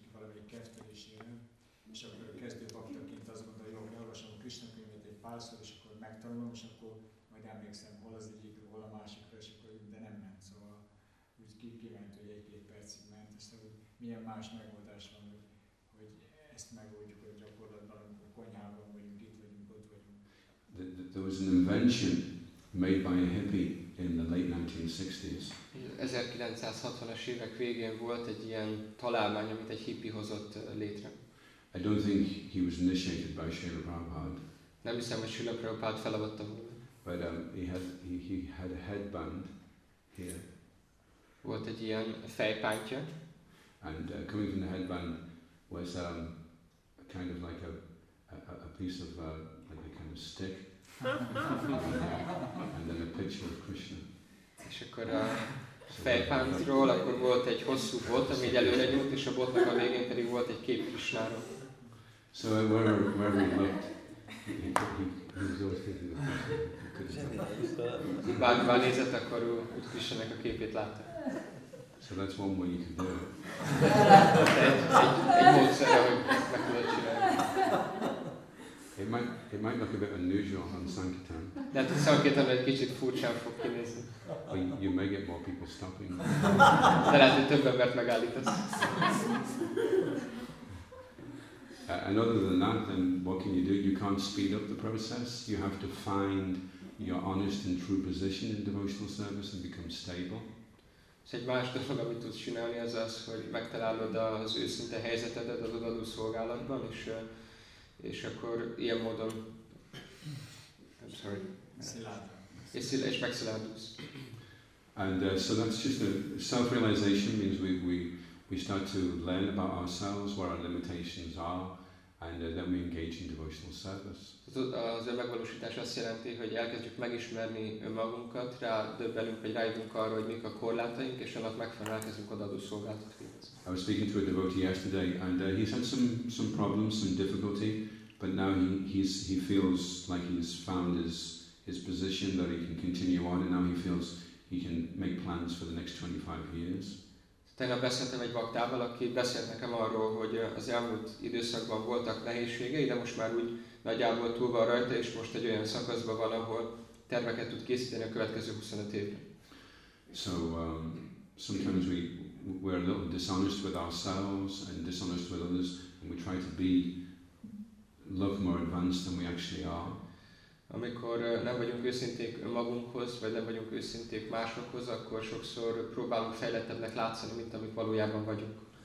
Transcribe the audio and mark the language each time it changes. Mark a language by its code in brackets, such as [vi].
[hu] Valamelyik kezdésére, és akkor kezdő baktaként azt mondta, jó, beolvasom a Krishna könyvét egy párszor, és akkor megtanulom, és akkor majd emlékszem, hol az egyik, hol a másikra, és akkor de nem ment. Szóval úgy kívánt, hogy egy-két percig ment, és szóval milyen más megoldás van, hogy ezt megoldjuk, hogy gyakorlatban, amikor konyhában vagyunk, itt vagyunk, ott vagyunk. [en] There was an invention made by a hippie in the late 1960s. [hu] 1960-as évek végén volt egy ilyen találmány, amit egy hippie hozott létre. [en] I don't think he was initiated by Srila Prabhupada. [hu] Nem hiszem, hogy Srila Prabhupada felavatta volna. [en] But he had a headband here. [hu] Volt egy ilyen fejpántja. [en] And coming from the headband was kind of like a piece of like a kind of stick. And then a picture of Krishna. [hu] És akkor a fejpántról akkor volt egy hosszú bot, ami így előre nyújt, és a botnak a végén pedig volt egy kép Krishnáról. [en] So where we looked, he was always thinking of Krishna. [hu] Bárkban nézett, akkor úgy Krishnának a képét látta. [en] So that's one way you can do it. [hu] Egy módszer, hogy meg tudod csinálni. [en] It might look a bit unusual on Sankirtan. [hu] That is Sankirtan, egy kicsit furcsa fog kinézni. [en] But you may get more people stopping. [hu] De lehet, hogy több embert megállítasz. [en] And other than that, then what can you do? You can't speed up the process. You have to find your honest and true position in devotional service and become stable. [hu] És egy más dolog, amit tudsz csinálni, az az, hogy megtalálod az őszinte helyzetedet az odaadó szolgálatban, és akkor ilyen módon... És megszilárdulsz. [en] And so that's just a self-realization means we start to learn about ourselves, where our limitations are, and then we engage in devotional service. [hu] Az önmegvalósítás azt jelenti, hogy elkezdjük megismerni önmagunkat, rá döbbenünk, vagy rájövünk arra, hogy mik a korlátaink, és annak megfelelően elkezdünk odaadó szolgáltat [en] végezni. I was speaking to a devotee yesterday, and he's had some problems, some difficulty, but now he feels like he's found his position, that he can continue on, and now he feels he can make plans for the next 25 years. [hu] Tegnap beszéltem egy baktával, aki beszélt nekem arról, hogy az elmúlt időszakban voltak nehézségei, de most már úgy nagyjából túl van rajta, és most egy olyan szakaszban van, ahol terveket tud készíteni a következő 25 évre. [en] So sometimes we're a little dishonest with ourselves and dishonest with others, and we try to be look more advanced than we actually are. [hu] Amikor nem vagyunk őszinték magunkhoz, vagy nem vagyunk őszinték másokhoz, akkor sokszor próbálunk fejlettebbnek látszani, mint amik valójában vagyunk.